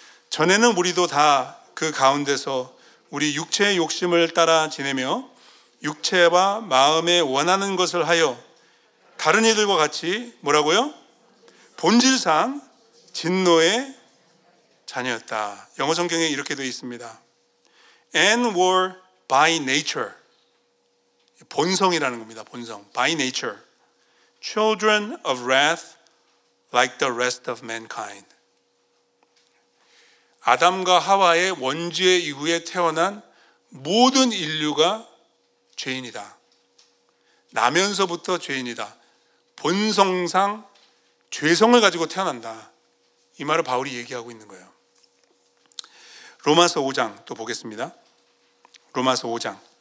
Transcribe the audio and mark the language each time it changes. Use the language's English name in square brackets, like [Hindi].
[Korean] 전에는 우리도 다 그 가운데서 우리 육체의 욕심을 따라 지내며 육체와 마음에 원하는 것을 하여 다른 이들과 같이 뭐라고요? 본질상 진노의 자녀였다. 영어 성경에 이렇게 되어 있습니다. [English] And were by nature, [Korean] 본성이라는 겁니다. [English] 본성, by nature, children of wrath like the rest of mankind. [Korean] 아담과 하와의 원죄 이후에 태어난 모든 인류가 죄인이다. 나면서부터 죄인이다. 본성상 죄성을 가지고 태어난다. 이 말을 바울이 얘기하고 있는 거예요. 로마서 5장 또 보겠습니다. 로마서 5장.